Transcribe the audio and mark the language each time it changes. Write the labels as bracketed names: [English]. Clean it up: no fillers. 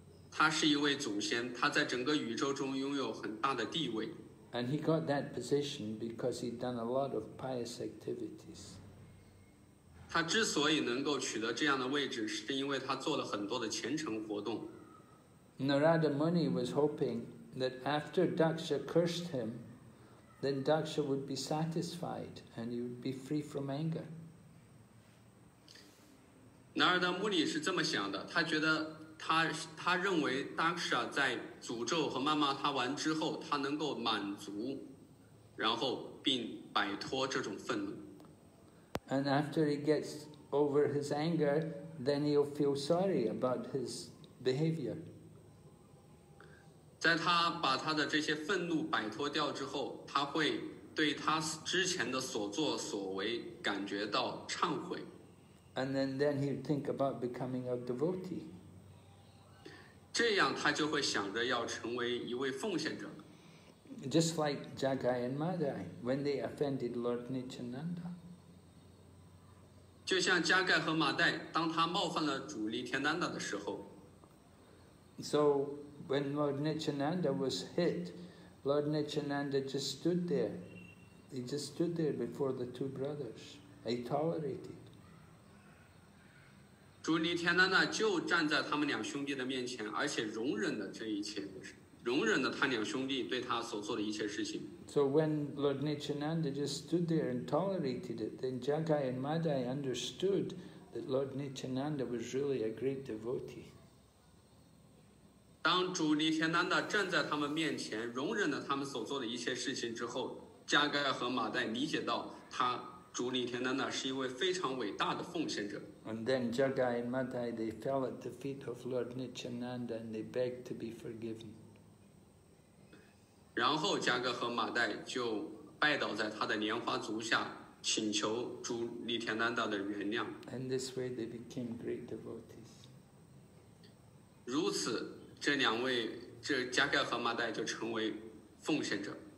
[Chinese] 他是一位祖先，他在整个宇宙中拥有很大的地位。 [English] And he got that position because he'd done a lot of pious activities. [Chinese] 他之所以能够取得这样的位置，是因为他做了很多的虔诚活动。 [English] Narada Muni was hoping. That after Daksha cursed him, then Daksha would be satisfied and he would be free from anger. [Chinese] Narada Muni 是这么想的，他觉得他认为 Daksha 在诅咒和谩骂他完之后，他能够满足，然后并摆脱这种愤怒。 [English] And after he gets over his anger, then he'll feel sorry about his behavior. [Chinese] 在他把他的这些愤怒摆脱掉之后，他会对他之前的所作所为感觉到忏悔。 [English] And then he'd think about becoming a devotee. [Chinese] 这样他就会想着要成为一位奉献者。 [English] Just like Jagai and Madai, when they offended Lord Nityananda. [Chinese] 就像加盖和马代，当他冒犯了主尼天南达的时候。 [English] So,When Lord Nityananda was hit, Lord Nityananda just stood there. He just stood there before the two brothers. He tolerated. [Chinese] 主尼天南达就站在他们两兄弟的面前，而且容忍了这一切，容忍了他两兄弟对他所做的一切事情。 [English] So when Lord Nityananda just stood there and tolerated it, then Jagai and Madai understood that Lord Nityananda was really a great devotee. [Chinese] 当主尼天南达站在他们面前，容忍了他们所做的一切事情之后，加盖和马代理解到他主尼天南达是一位非常伟大的奉献者。 [English] And then Jagai and Madai they fell at the feet of Lord Nityananda and they begged to be forgiven. [Chinese] 然后加盖和马代就拜倒在他的莲花足下，请求主尼天南达的原谅。 [English] And this way they became great devotees. [Chinese] 如此。这两位，这加盖和马代就成为奉献者。